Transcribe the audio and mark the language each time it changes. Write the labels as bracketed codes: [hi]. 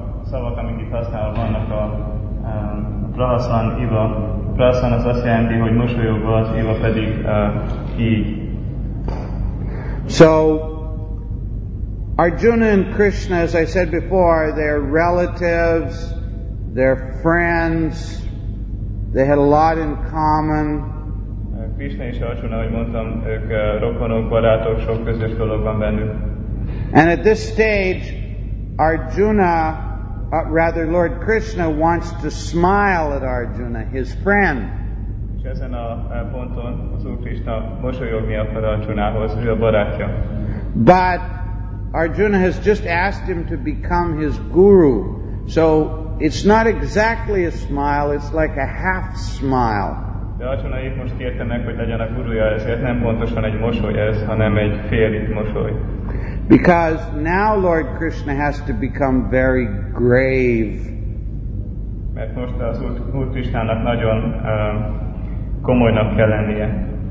[hu] Szavak, amik itt használva vannak a Prahasan Eva. Prahasan az azt jelenti, hogy mosolyogva, az Eva pedig így. [en] So, Arjuna and Krishna, as I said before, they're relatives, they're friends, they had a lot in common. [hu] Krishna és Arjuna, ahogy mondtam, ők rokonok, barátok, sok közös dolog van bennük. [en] And at this stage, Arjuna, rather Lord Krishna wants to smile at Arjuna, his friend. [hu] Ezen a ponton az Úr Krishna mosolyogni akar Arjunához, ő a barátja. [en] But Arjuna has just asked him to become his guru. So it's not exactly a smile, it's like a half smile. [hu] De Arjuna itt most kérte meg, hogy legyen a gurúja, ezért nem pontosan egy mosoly ez, hanem egy félig mosoly. [en] Because now Lord Krishna has to become very grave. [hu] Mert most az Úr Krishnának nagyon komolynak kell lennie.